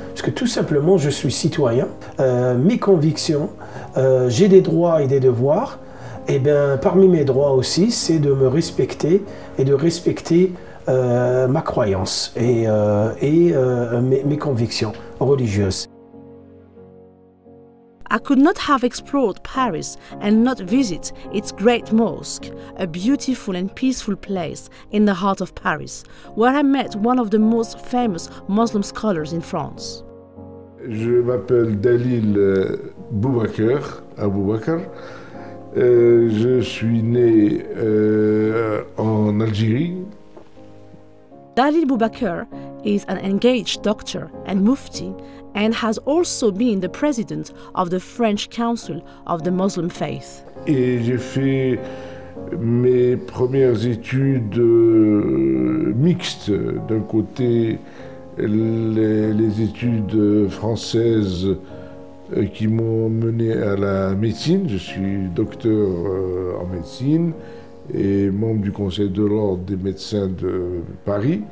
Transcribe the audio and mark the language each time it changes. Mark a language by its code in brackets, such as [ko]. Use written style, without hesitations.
[fr] Parce que tout simplement, je suis citoyen, mes convictions, j'ai des droits et des devoirs, et bien parmi mes droits aussi, c'est de me respecter et de respecter ma croyance et mes convictions religieuses. [en] I could not have explored Paris and not visit its great mosque, a beautiful and peaceful place in the heart of Paris, where I met one of the most famous Muslim scholars in France. [fr] Je m'appelle Dalil Boubakar, Abou Bakr. Je suis né en Algérie. [en] Dalil Boubakar is an engaged doctor and mufti and has also been the president of the French Council of the Muslim Faith. [fr] Et j'ai fait mes premières études mixtes, d'un côté les études françaises qui m'ont mené à la médecine, je suis docteur en médecine et membre du Conseil de l'Ordre des médecins de Paris.